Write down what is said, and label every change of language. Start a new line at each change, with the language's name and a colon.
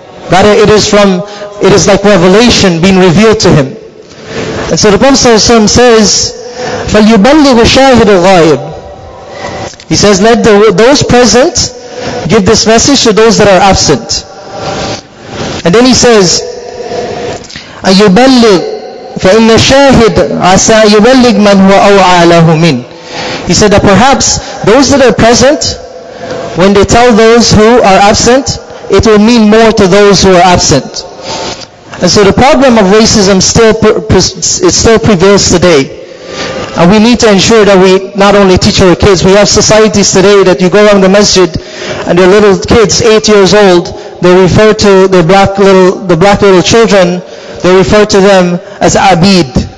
English: Rather, it is like revelation being revealed to him. And so the Prophet ﷺ says,
Arabic: فَلْيُبَلِّغُ شَاهِدُ الْغَائِبِ.
English: He says, let those present give this message to those that are absent. And then he says,
Arabic: أَيُبَلِّغُ فَإِنَّ الشَّاهِدْ عَسَىٰ يُبَلِّغْ مَنْ هُوَ أَوْعَىٰ لَهُ مِنْ.
English: He said that perhaps those that are present, when they tell those who are absent, it will mean more to those who are absent. And so the problem of racism still prevails today. And we need to ensure that we not only teach our kids, we have societies today that you go around the masjid and their little kids, 8 years old, they refer to the black little children, they refer to them as Abid.